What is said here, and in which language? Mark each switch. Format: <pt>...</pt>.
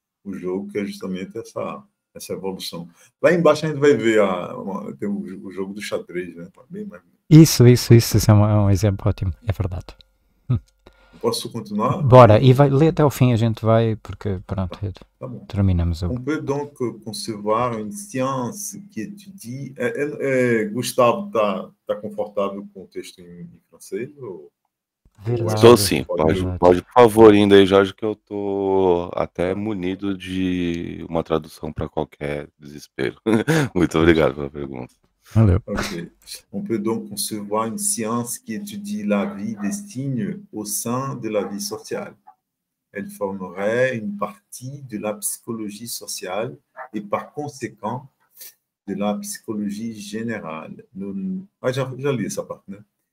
<pt>O jogo, que é justamente essa evolução. Lá embaixo a gente vai ver tem o jogo do xadrez, né? Bem mais. Isso é um exemplo ótimo, é verdade. Posso continuar? Bora, e vai ler até o fim, a gente vai, porque pronto, Tá bom. terminamos o.</pt> <fr>Comprei donc concevoir une science qui étudie.</fr> <pt>Gustavo, tá confortável com o texto em francês? Ou Estou ainda sim, pode. pode por favor, indo aí, Jorge, que eu estou até munido de uma tradução para qualquer desespero. Muito obrigado pela pergunta. Valeu. Ok.</pt> <fr>On peut donc concevoir une science qui étudie la vie des signes au sein de la vie sociale. Elle formerait une partie de la psychologie sociale et par conséquent de la psychologie générale. Ah, j'ai lu ça, partenaire.</fr>